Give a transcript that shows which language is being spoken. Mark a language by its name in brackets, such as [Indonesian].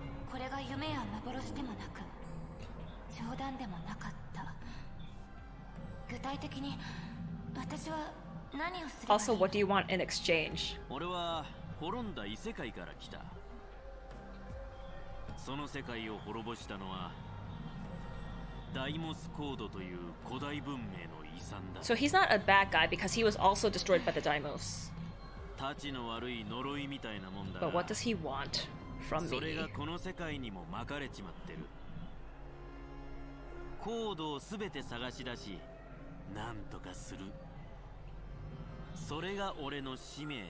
[Japanese] これが夢や幻でもなく冗談でもなかった具体的に私は何をする [English] Also, what do you want in exchange? [Japanese] 俺は滅んだ異世界から来たその世界を滅ぼしたのはダイモスコードという古代文明の遺産だ [English] So he's not a bad guy because he was also destroyed by the Daimos [Japanese] たちの悪い呪いみたいなもんだ [English] But what does he want? [Japanese] それがこの世界にも巻かれちまってる。コードをすべて探し出し、なんとかする。それが俺の使命。